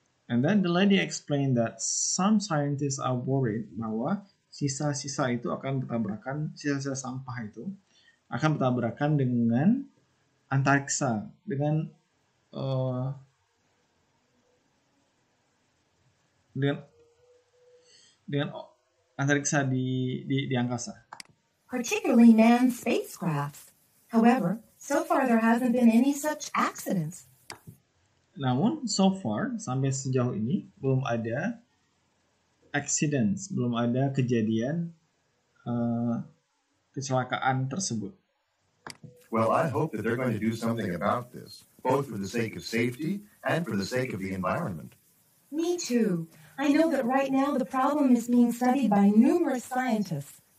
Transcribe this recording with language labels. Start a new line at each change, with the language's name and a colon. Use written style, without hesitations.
English: And then the lady explained that some scientists are worried
Indonesian: bahwa sisa-sisa itu akan bertabrakan, sisa-sisa sampah itu akan bertabrakan dengan antariksa, dengan antariksa di angkasa.
English: Particularly manned spacecrafts. However, so far there hasn't been any such accidents.
Indonesian: Namun,
English: so far,
Indonesian: sampai sejauh ini, belum ada accidents, belum ada kejadian kecelakaan tersebut.
English: Well, I hope that they're going to do something about this, both for the sake of safety and for the sake of the environment. Me too. I know that right now the problem is being studied by numerous scientists.